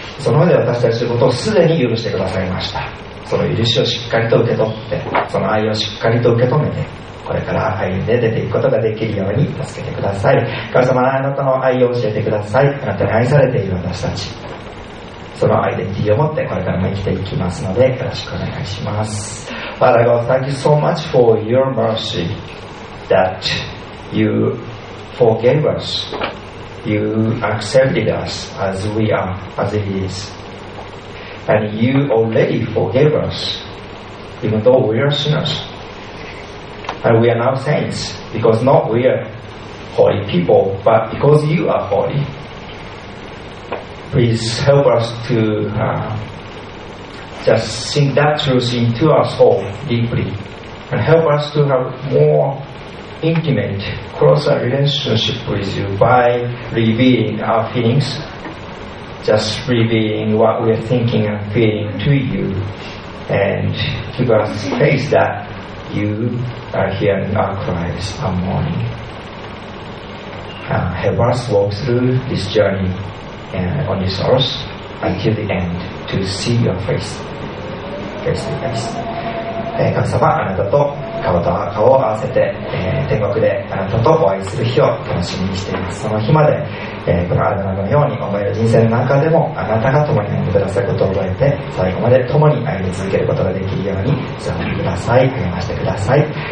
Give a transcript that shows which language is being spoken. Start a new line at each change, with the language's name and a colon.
Japanese: その上で私たちのことをすでに許してくださいました。その許しをしっかりと受け取って、その愛をしっかりと受け止めて、これから愛で出ていくことができるように助けてください。神様、あなたの愛を教えてください。あなたに愛されている私たち、そのアイデンティティを持ってこれからも生きていきますので、よろしくお願いします。
English: Father God, thank you so much for your mercy that you forgave us, you accepted us as we are, as it is, and you already forgave us even though we are sinnersAnd we are now saints, because not we are holy people, but because you are holy. Please help us to just sink that truth into our soul deeply, and help us to have more intimate, closer relationship with you by revealing our feelings, just revealing what we are thinking and feeling to you, and give us faith that you are hearing our cries and mourning. Help us walk through this journey on this earth until the end to see your face face to face.
Japanese: 神様、あなたと顔と顔を合わせて、天国であなたとお会いする日を楽しみにしています。その日まで、このアルバムのように思える人生の中でもあなたが共に歩んでくださることを覚えて、最後まで共に歩み続けることができるように進んでください。励ましてください。